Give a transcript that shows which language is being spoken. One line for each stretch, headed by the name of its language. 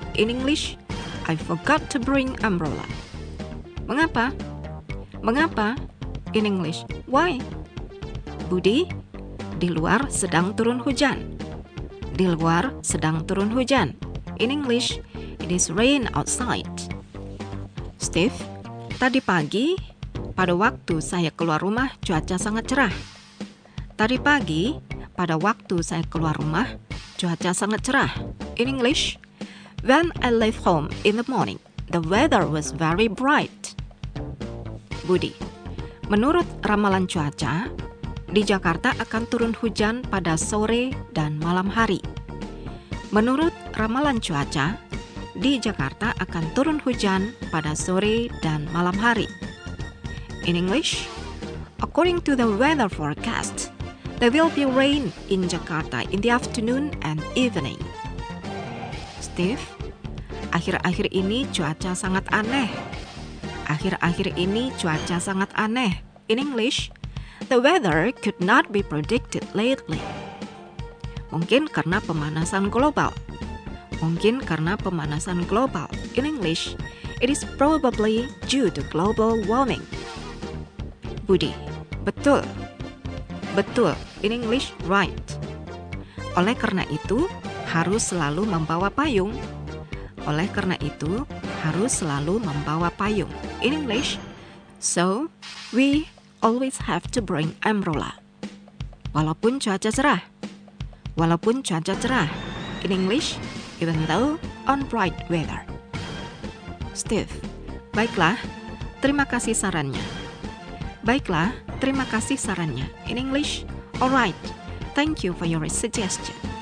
English: In English, I forgot to bring umbrella.
Indonesian: Mengapa? Mengapa?
English: In English, why?
Indonesian: Budi, di luar sedang turun hujan. Di luar sedang turun hujan.
English: In English, it is rain outside.
Indonesian: Steve, tadi pagi, pada waktu saya keluar rumah, cuaca sangat cerah. Tadi pagi, pada waktu saya keluar rumah, cuaca sangat cerah.
English: In English, when I left home in the morning, the weather was very bright.
Indonesian: Budi, menurut ramalan cuaca, di Jakarta akan turun hujan pada sore dan malam hari. Menurut ramalan cuaca, di Jakarta akan turun hujan pada sore dan malam hari.
English: In English, according to the weather forecast, there will be rain in Jakarta in the afternoon and evening.
Indonesian: Steve, akhir-akhir ini cuaca sangat aneh. Akhir-akhir ini cuaca sangat aneh.
English: In English, the weather could not be predicted lately.
Indonesian: Mungkin karena pemanasan global. Mungkin karena pemanasan global.
English: In English, it is probably due to global warming.
Indonesian: Budi, betul. Betul.
English: In English, right.
Indonesian: Oleh karena itu, harus selalu membawa payung. Oleh karena itu, harus selalu membawa payung.
English: In English, so we always have to bring umbrella.
Indonesian: Walaupun cuaca cerah. Walaupun cuaca cerah.
English: In English, even though on bright weather.
Indonesian: Steve, baiklah, terima kasih sarannya. Baiklah, terima kasih sarannya.
English: In English, alright, thank you for your suggestion.